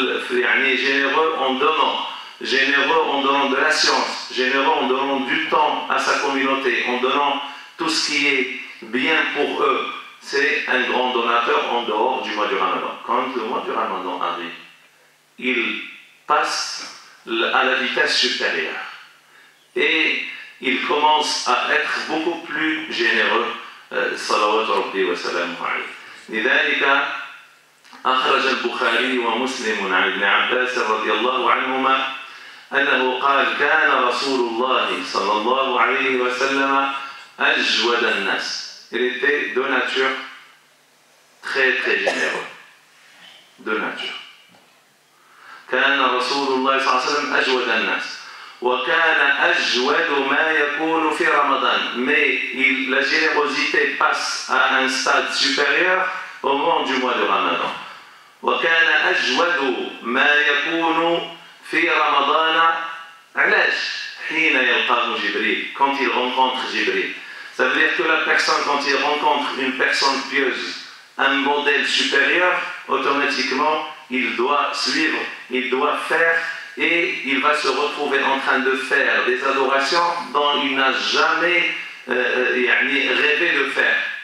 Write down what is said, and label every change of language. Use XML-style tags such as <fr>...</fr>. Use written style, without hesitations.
<fr>يعني généreux en donnant, généreux en donnant de la science, généreux en donnant du temps à sa communauté, en donnant tout ce qui est bien pour eux. C'est un grand donateur en dehors du mois du Ramadan. Quand le mois du Ramadan arrive, il passe à la vitesse supérieure et il commence à être beaucoup plus généreux.</fr> <ar>صلوات ربي وسلامه عليه. لذلك أخرج البخاري ومسلم عن ابن عباس رضي الله عنهما أنه قال كان رسول الله صلى الله عليه وسلم أجود الناس.</ar> <fr>Il était de nature très très généreux. De nature.</fr> <ar>كان رسول الله صلى الله عليه وسلم أجود الناس وكان أجود ما يكون في رمضان.</ar> <fr>Mais la générosité passe à un stade supérieur au moment du mois de Ramadan.</fr> <ar>وكان أجود ما يكون في رمضان. علاش؟ حين يلقاه جبريل.</ar> <fr>Quand il rencontre جبريل. Ça veut dire que la personne, quand il rencontre une personne pieuse, un modèle supérieur, automatiquement il doit suivre, il doit faire et il va se retrouver en train de faire des adorations dont il n'a jamais rêvé de faire.</fr>